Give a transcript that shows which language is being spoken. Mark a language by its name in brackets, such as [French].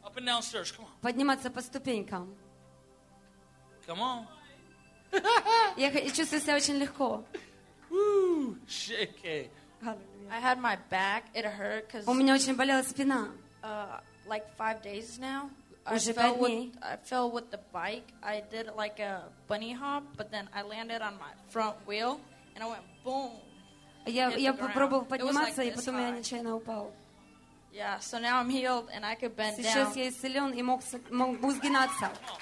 [English] Up and downstairs, come on. [Russian] Подниматься по ступенькам. [English] Come on. [Russian] Я чувствую себя очень легко. [English] Woo, shake it. I had my back, it hurt because. [Russian] У меня очень болела спина. [English] Like 5 days now. [Russian] Уже 5 дней. [English] I fell with the bike. I did like a bunny hop, but then I landed on my front wheel and I went boom. [Russian] Я попробовал подниматься, и потом я нечаянно упал. [English] Yeah, so now I'm healed and I could bend [Russian] сейчас Сейчас я исцелен и мог сгинаться.